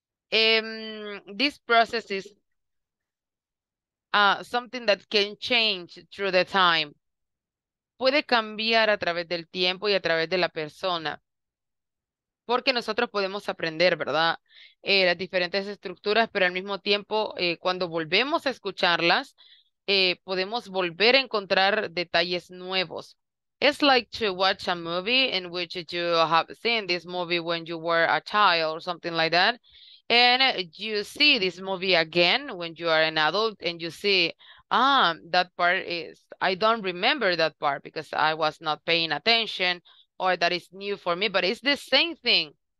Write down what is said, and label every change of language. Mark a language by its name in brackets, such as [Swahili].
[English] This process is something that can change through the time. [Spanish] Puede cambiar a través del tiempo y a través de la persona. Porque nosotros podemos aprender, ¿verdad? Las diferentes estructuras, pero al mismo tiempo, cuando volvemos a escucharlas, podemos volver a encontrar detalles nuevos. [English] It's like to watch a movie in which you have seen this movie when you were a child or something like that. And you see this movie again when you are an adult and you see, that part is, I don't remember that part because I was not paying attention, or that is new for me, but it's the same thing.